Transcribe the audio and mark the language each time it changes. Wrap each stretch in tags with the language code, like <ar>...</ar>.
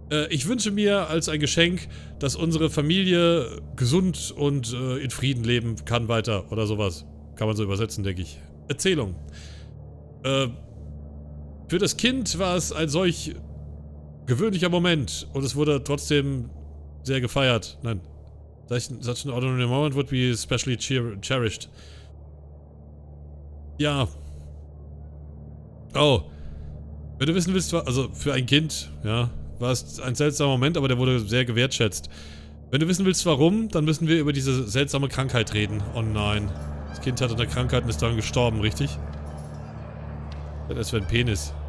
<de>Ich wünsche mir als ein Geschenk, dass unsere Familie gesund und in Frieden leben kann weiter oder sowas. Kann man so übersetzen, denke ich. Erzählung. Für das Kind war es ein solch gewöhnlicher Moment und es wurde trotzdem sehr gefeiert.</de> <en>Nein, such an ordinary moment would be especially cherished.</en> <de>Ja. Oh. Wenn du wissen willst, also für ein Kind, ja. War es ein seltsamer Moment, aber der wurde sehr gewertschätzt. Wenn du wissen willst, warum, dann müssen wir über diese seltsame Krankheit reden. Oh nein. Das Kind hat eine Krankheit und ist daran gestorben, richtig? Das wäre ein Penis.</de>